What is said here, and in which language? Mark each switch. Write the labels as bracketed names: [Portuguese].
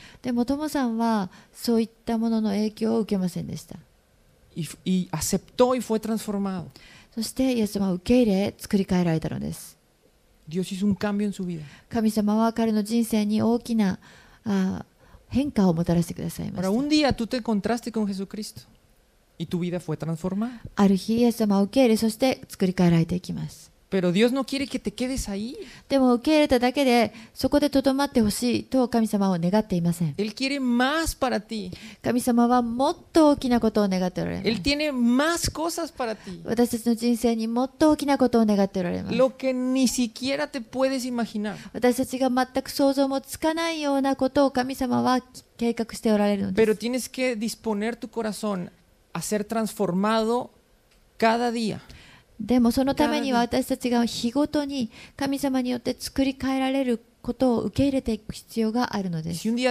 [Japanese] でもトモさんはそういったものの影響を受けませんでした。 [Spanish] Y aceptó y fue transformado. [Japanese] そしてイエス様を受け入れ、作り変えられたのです。 [Spanish] Dios hizo un cambio en su vida. [Japanese] 神様は彼の人生に大きな変化をもたらしてくださいました。 [Spanish] Ahora, un día, tú te encontraste con Jesucristo, y tu vida fue transformada. [Japanese] ある日、イエス様を受け入れ、そして作り変えられていきます。 [Spanish] Pero Dios no quiere que te quedes ahí. [Japanese] でも受け入れただけでそこでとどまってほしいと神様は願っていません。 [Spanish] Él quiere más para ti. [Japanese] 神様はもっと大きなことを願っておられます。 [Spanish] Él tiene más cosas para ti. [Japanese] 私たちの人生にもっと大きなことを願っておられます。 [Spanish] Lo que ni siquiera te puedes imaginar. [Japanese] 私たちが全く想像もつかないようなことを神様は計画しておられるのです。 [Spanish] Pero tienes que disponer tu corazón a ser transformado cada día. [Japanese] でもそのためには私たちが日ごとに神様によって作り変えられることを受け入れていく必要があるのです。